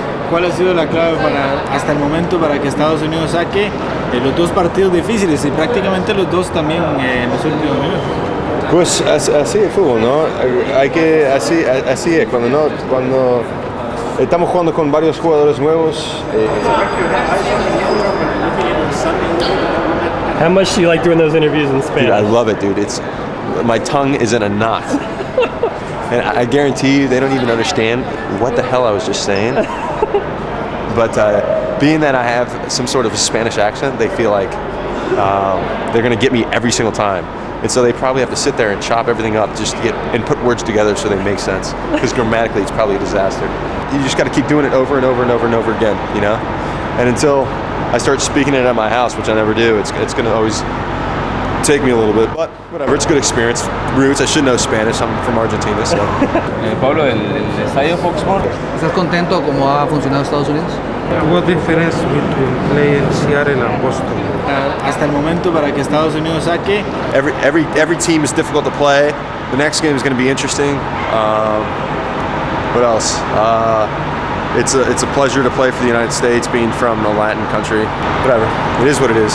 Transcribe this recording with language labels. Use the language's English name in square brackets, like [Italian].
[Spanish] ¿Cuál ha sido la clave para, hasta el momento, para que Estados Unidos saque los dos partidos difíciles y prácticamente los dos también en los últimos minutos? Pues así es fútbol, ¿no? Hay que, así es, cuando estamos jugando con varios jugadores nuevos. [English] How much do you like doing those interviews in Spanish? Dude, I love it, dude. My tongue is in a knot. And I guarantee you, they don't even understand what the hell I was just saying. But being that I have some sort of a Spanish accent, they feel like they're going to get me every single time. And so they probably have to sit there and chop everything up just to get and put words together so they make sense. Because grammatically, it's probably a disaster. You just got to keep doing it over and over and over and over again, you know? And until I start speaking it at my house, which I never do, it's going to always take me a little bit. But whatever, it's a good experience. Roots, I should know Spanish. I'm from Argentina, so. [Spanish] Pablo, el estadio Foxborough. ¿Estás contento cómo ha funcionado Estados Unidos? [English] What difference between playing Seattle and Boston? [Spanish] Hasta el momento para que Estados Unidos saque. [English] Every team is difficult to play. The next game is going to be interesting. What else? It's a pleasure to play for the United States, being from a Latin country. Whatever. It is what it is.